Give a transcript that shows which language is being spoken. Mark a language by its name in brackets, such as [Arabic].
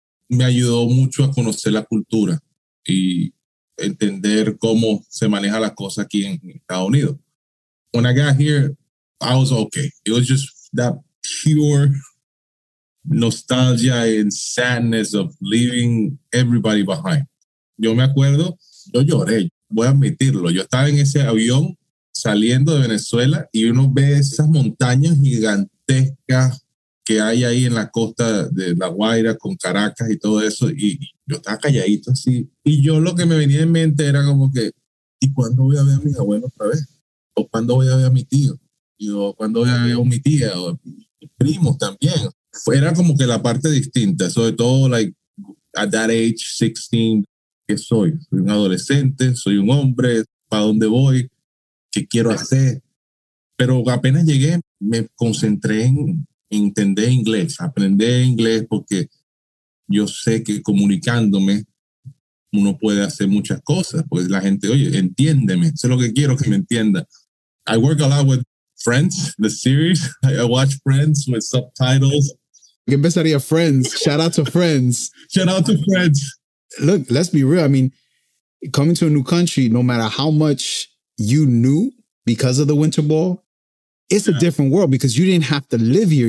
[Spanish] me ayudó mucho a conocer la cultura y entender cómo se maneja la cosa aquí en Estados Unidos. [English] When I got here, I was okay. It was just that pure nostalgia and sadness of leaving everybody behind. [Spanish] Yo me acuerdo, yo lloré, voy a admitirlo. Yo estaba en ese avión saliendo de Venezuela y uno ve esas montañas gigantescas que hay ahí en la costa de La Guaira con Caracas y todo eso. Y yo estaba calladito así. Y yo lo que me venía en mente era como que, ¿y cuándo voy a ver a mis abuelos otra vez? ¿O cuándo voy a ver a mi tío? ¿Y o cuándo voy a ver a mi tía? ¿O mis primos también? Era como que la parte distinta, sobre todo [English] like, at that age, [Spanish] 16, ¿qué soy? Soy un adolescente, soy un hombre, ¿para dónde voy? ¿Qué quiero hacer? Pero apenas llegué, me concentré en entender inglés, aprender inglés, porque yo sé que comunicándome uno puede hacer muchas cosas, pues la gente, oye, entiéndeme, eso es lo que quiero que me entienda. [English] I work a lot with Friends, the series. I watch Friends with subtitles. [Spanish] ¿Qué empezaría [English] Friends? Shout out to Friends. Shout out to Friends. Look, let's be real. I mean, coming to a new country, no matter how much you knew because of the Winter Ball, it's a different world because you didn't have to live here.